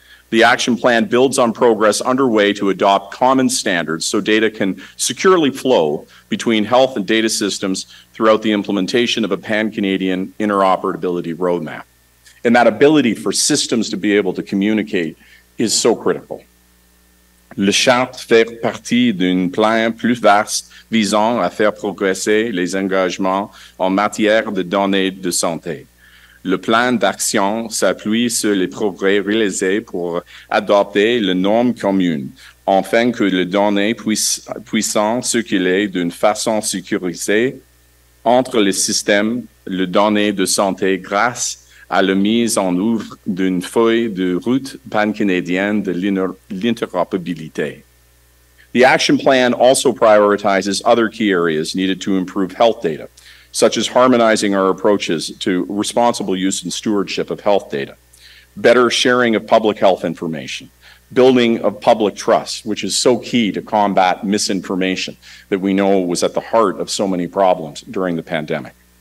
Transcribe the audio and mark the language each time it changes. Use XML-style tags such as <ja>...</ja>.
<en>The action plan builds on progress underway to adopt common standards so data can securely flow between health and data systems throughout the implementation of a pan-Canadian interoperability roadmap. And that ability for systems to be able to communicate is so critical.</en> <fr>Le charte fait partie d'un plan plus vaste visant à faire progresser les engagements en matière de données de santé. Le plan d'action s'appuie sur les progrès réalisés pour adopter les normes communes, afin que les données puissent circuler d'une façon sécurisée entre les systèmes, les données de santé grâce à la mise en œuvre d'une feuille de route pan-canadienne de l'interopérabilité.</fr> <en>The action plan also prioritizes other key areas needed to improve health data, such as harmonizing our approaches to responsible use and stewardship of health data, better sharing of public health information, building of public trust, which is so key to combat misinformation that we know was at the heart of so many problems during the pandemic.</en>